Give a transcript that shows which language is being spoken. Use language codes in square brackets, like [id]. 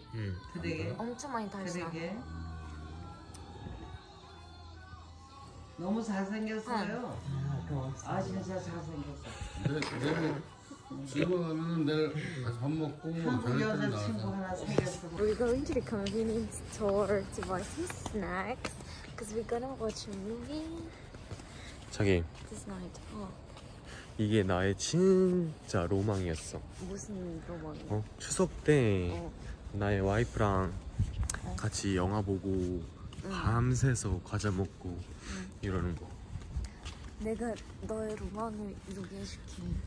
[ko] 응. 그대게? 엄청 많이 달 있어. 너무 잘생겼어요. 아, 진짜 잘생겼어. 근데 내일 집어가면 내일 밥 먹고 한국 여자친구 하나 생겼어. [en] We're going to the convenience store to buy some snacks because we're gonna watch a movie. [ko] 자기. [en] This night. 어. [ko] 이게 나의 진짜 로망이었어. 무슨 로망이야? 어? 추석 때 나의 와이프랑 같이 영화 보고 밤새서 과자 먹고 이러는 거. 내가 너의 로망을 이루게 해줄게.